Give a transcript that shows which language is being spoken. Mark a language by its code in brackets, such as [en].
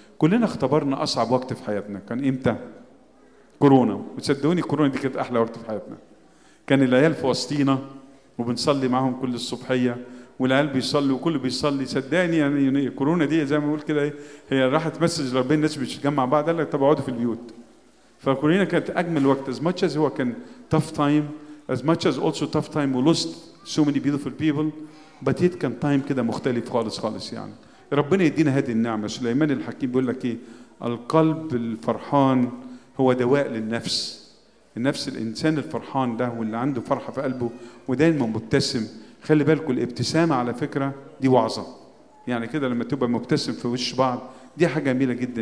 [ar] كلنا اختبرنا اصعب وقت في حياتنا كان امتى؟ كورونا. وصدقوني كورونا دي كانت احلى وقت في حياتنا. كان العيال في وسطينا وبنصلي معهم كل الصبحيه والعيال بيصلي وكل بيصلي. صدقني يعني كورونا دي زي ما بقول كده هي راحت مسج لربنا الناس بتتجمع بعض قال لك طب اقعدوا في البيوت. فكورونا كانت اجمل وقت [en] as much as هو كان tough time as much as also tough time we lost so many beautiful people but it [ar] كان تايم كده مختلف خالص خالص. يعني ربنا يدينا هذه النعمه. سليمان الحكيم بيقول لك ايه القلب الفرحان هو دواء للنفس. النفس الانسان الفرحان ده واللي عنده فرحه في قلبه ودايما مبتسم خلي بالكوا الابتسامه على فكره دي وعظه. يعني كده لما تبقى مبتسم في وش بعض دي حاجه جميله جدا.